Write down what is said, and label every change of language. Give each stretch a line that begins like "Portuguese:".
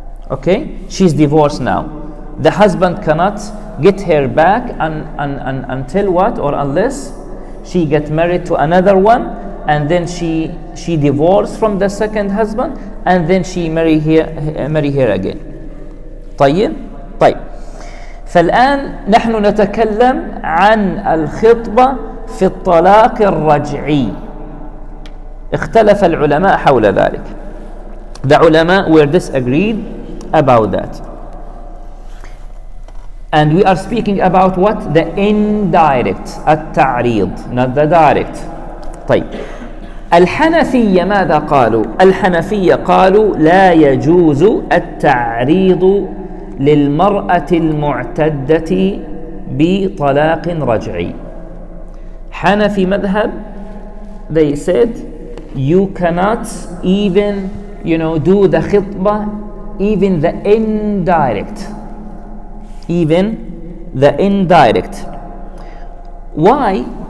English: Okay, she's divorced now. The husband cannot get her back until what, or unless she get married to another one, and then she divorced from the second husband, and then she marry her again.
Arabic: طيب. فالآن نحن نتكلم عن الخطبة في الطلاق الرجعي. اختلف العلماء حول ذلك.
English: The ulama were disagreed about that. And we are speaking about what? The indirect, at-ta'rid, not the direct.
Arabic: طيب. الحنفية ماذا قالوا؟ الحنفية قالوا لا يجوز التعريض للمرأة المعتدة بطلاق رجعي.
English: حنفي مذهب, they said you cannot even, you know, do the خطبة, even the indirect. Even the indirect. Why?